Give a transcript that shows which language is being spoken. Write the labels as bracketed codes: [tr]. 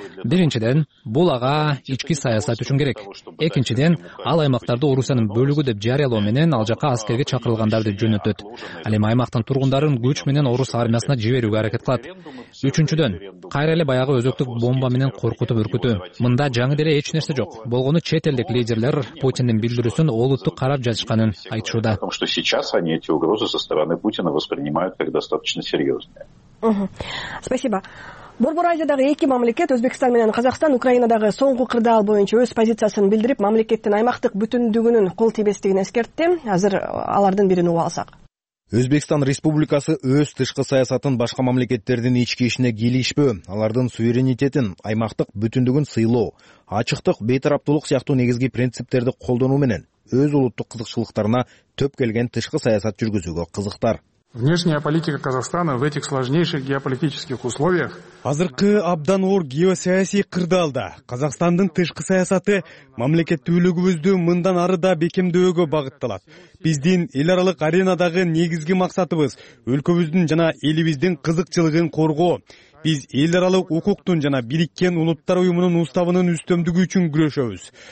[ky] Биринчиден, бул ага ички саясат үчүн керек. Экинчиден, ал аймактарды Орусиянын бөлүгү деп жарыялоо менен ал жака аскерге чакырылгандарды жөнөтөт. Ал эми аймактын тургундарын күч менен орус армиясына жиберүүгө аракет кылат. Үчүнчүдөн, кайра эле баягы өзөктүк бомба менен коркутуп өркүтүү. Мында жаңы деле эч нерсе жок. Болгону чет элдик лидерлер Путиндин билдирүүсүн олуттуу карап жатышканын айтышууда. [ru] Потому что сейчас они эти угрозы со стороны Путина воспринимают как достаточно серьезные. Спасибо. [ky] Борбор Азиядагы эки мамлекет, Өзбекстан менен Казакстан, Украинадагы соңку кырдаал боюнча өз позициясын билдирип, мамлекеттин аймактык бүтүндүгүнүн кол тийбестигин эскертти. Азыр алардын бирин угуп алсак. Өзбекстан Республикасы өз тышкы саясатын башка мамлекеттердин ички ишине кийлигишпөө, алардын суверенитетин, аймактык бүтүндүгүн сыйлоо, ачыктык, бейтараптуулук сыяктуу негизги принциптерди колдонуу менен өз улуттук кызыкчылыктарына төп келген тышкы саясат жүргүзүүгө кызыктар. [ru] Внешняя политика Казахстана в этих сложнейших геополитических условиях. [ky] Азыркы абдан оор геосаясий кырдаалда Казахстандын тышкы саясаты мамлекеттүүлүгүбүздү мындан ары да бекемдөөгө багытталат. Биздин эл аралык аренадагы негизги максатыбыз өлкөбүздүн жана элибиздин кызыкчылыгын коргоо. Биз эл аралык укуктун жана Бириккен Улуттар Уюмунун уставынын үстөмдүгү үчүн күрөшөбүз.